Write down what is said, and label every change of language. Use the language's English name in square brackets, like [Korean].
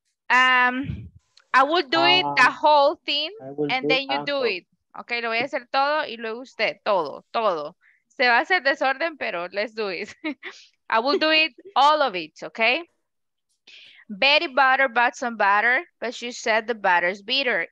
[English] I will do it the whole thing and then you do it. [Spanish] Okay, lo voy a hacer todo y luego usted, todo. Se va a hacer desorden, pero [English] let's do it. I will do it, all of it, okay? Betty Butter bought some butter, but she said the butter's bitter.